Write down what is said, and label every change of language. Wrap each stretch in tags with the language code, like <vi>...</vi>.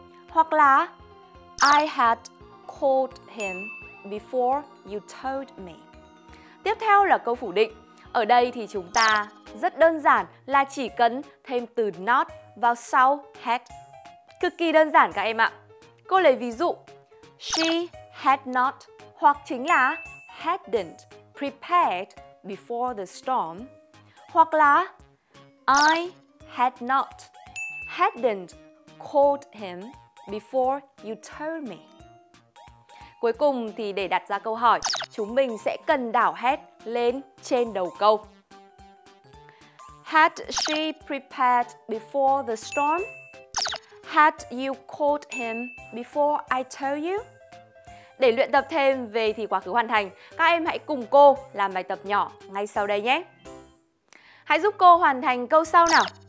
<vi>Hoặc là</vi> <en>I had called him before you told me.</en> <vi>Tiếp theo là câu phủ định. Ở đây thì chúng ta rất đơn giản là chỉ cần thêm từ not vào sau had. Cực kỳ đơn giản các em ạ. Cô lấy ví dụ.</vi> <en>She had not</en> <vi>hoặc chính là</vi> <en>hadn't prepared before the storm.</en> <vi>Hoặc là</vi> <en>I had not hadn't called him before you told me.</en> <vi>Cuối cùng thì để đặt ra câu hỏi, chúng mình sẽ cần đảo had lên trên đầu câu.</vi> <en>Had she prepared before the storm? Had you called him before I told you?</en> <vi>Để luyện tập thêm về thì quá khứ hoàn thành, các em hãy cùng cô làm bài tập nhỏ ngay sau đây nhé. Hãy giúp cô hoàn thành câu sau nào.</vi>